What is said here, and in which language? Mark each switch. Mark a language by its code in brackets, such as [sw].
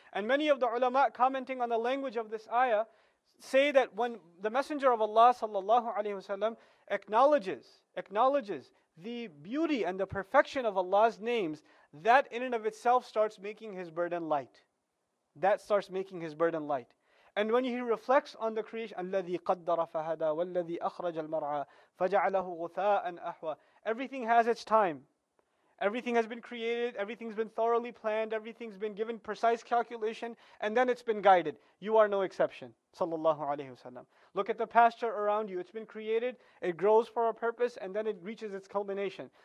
[en] And many of the ulama commenting on the language of this ayah say that when the Messenger of Allah sallallahu alayhi wa sallam acknowledges the beauty and the perfection of Allah's names, that in and of itself starts making his burden light. That starts making his burden light. And when he reflects on the creation, [ar] الَّذِي قَدَّرَ فَهَدَى وَالَّذِي أَخْرَجَ الْمَرْعَى فَجَعَلَهُ غُثَاءً أَحْوَى. [en] Everything has its time. Everything has been created, everything's been thoroughly planned, everything's been given precise calculation, and then it's been guided. You are no exception, sallallahu alayhi wa sallam. Look at the pasture around you. It's been created, it grows for a purpose, and then it reaches its culmination.